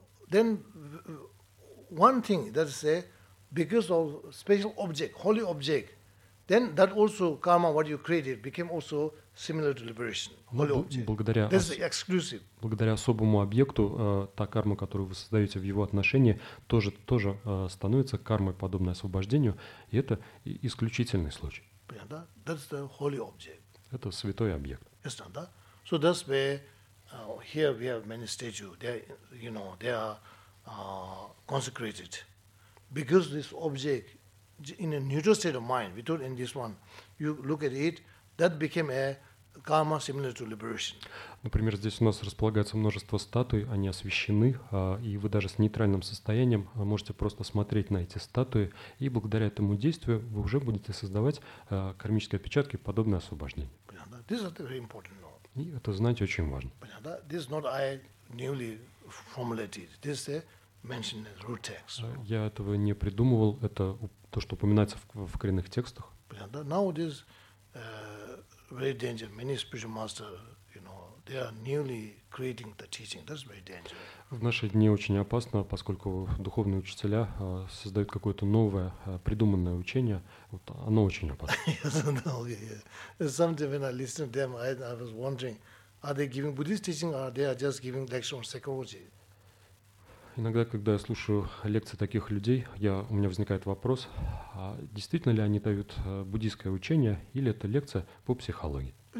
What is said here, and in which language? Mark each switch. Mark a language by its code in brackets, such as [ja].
[en] Then one thing that is say, because of special object, holy object, then that also karma what you created became also similar to liberation. This is exclusive. [ru] Благодаря особому объекту, та карма, которую вы создаете в его отношении, тоже становится кармой, подобной освобождению, и это исключительный случай. [en] Yeah, да? That's the holy object. [ru] Это святой объект. [en] Yes, no, да? So that's where here we have many statues. They are, they are consecrated. Because this object in a neutral state of mind, we told in this one, you look at it, that became a karma similar to liberation. [ru] Например, здесь у нас располагается множество статуй, они освещены, и вы даже с нейтральным состоянием можете просто смотреть на эти статуи, и благодаря этому действию вы уже будете создавать кармические отпечатки, подобное освобождение. [en] Понятно? This is very important. [ru] И это, знаете, очень важно. [en] Понятно? This is not I newly formulated. This is mentioned in root text. [ru] Я этого не придумывал, это то, что упоминается в коренных текстах. [en] Понятно? Now it is very dangerous. Many spiritual masters, you know, they are newly creating the teaching. That's very dangerous. [ru] В наши дни очень опасно, поскольку духовные учителя создают какое-то новое, придуманное учение. Вот оно очень опасно. [en] Sometimes when I listen to them, I was wondering, are they giving Buddhist teaching or they are just giving lecture on psychology? [ru] Иногда, когда я слушаю лекции таких людей, у меня возникает вопрос, действительно ли они дают буддийское учение или это лекция по психологии?